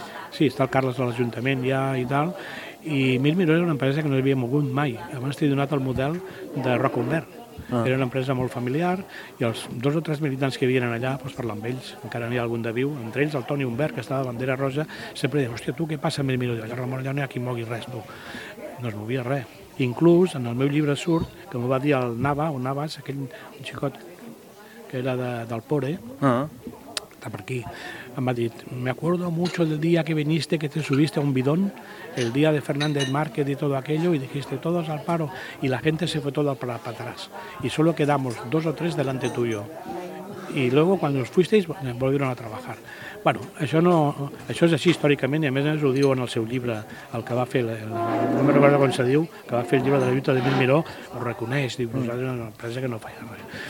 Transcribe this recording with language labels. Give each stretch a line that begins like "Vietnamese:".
Catalan: Sí, està el Carles de l'Ajuntament ja i tal, i Mirmiró era una empresa que no havia mogut mai. Abans t'he donat el model de Rocomber. Era una empresa molt familiar, i els dos o tres militants que vivien allà, doncs parlar amb ells, encara n'hi ha algun de viu, entre ells el Toni Humbert, que estava de bandera rosa, sempre deia, hòstia, tu què passa amb Mirmiró? Allà, Ramon, allà no hi ha qui mogui res, tu. No es movia res. Inclús, en el meu llibre surt, que m'ho va dir
Spanish: el Nava, o Navas, aquell un xicot que era del Pore, està per aquí, em va dir, me acuerdo mucho del día que viniste, que te subiste a un bidón, el día de Fernández Márquez y todo aquello, y dijiste, todos al paro, y la gente se fue toda para atrás, y solo quedamos dos o tres delante tuyo. Y luego, cuando os fuisteis, volvieron a trabajar.
Catalan: Bueno, això és així històricament, i a més a més ho diu en el seu llibre, el que va fer, no me recordo com se diu, que va fer el llibre de la lluita de Mirmiró, ho reconeix, diu, nosaltres era una empresa que no feia res.